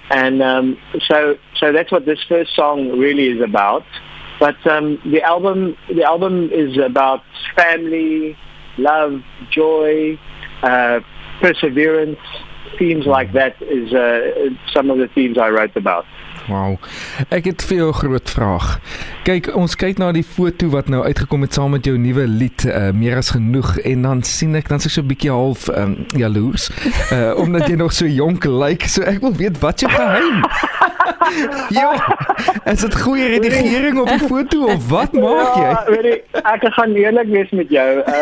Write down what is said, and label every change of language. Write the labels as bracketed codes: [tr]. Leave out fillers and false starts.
[en] And so that's what this first song really is about. But the album is about family, love, joy, perseverance, themes like that is some of the themes I wrote about. Wow. [af] Ek het vir jou 'n groot vraag. Kyk, ons kyk na die foto wat nou uitgekom het saam met jou nuwe lied, Meer as genoeg, en dan sien ek, dan is ek so 'n bietjie half jaloers, omdat jy nog so jonk lyk, so ek wil weet, wat is jou geheim? Ja, is dit goeie redigering op die foto, of wat maak jy? Ja, weet jy, ek gaan eerlijk wees met jou.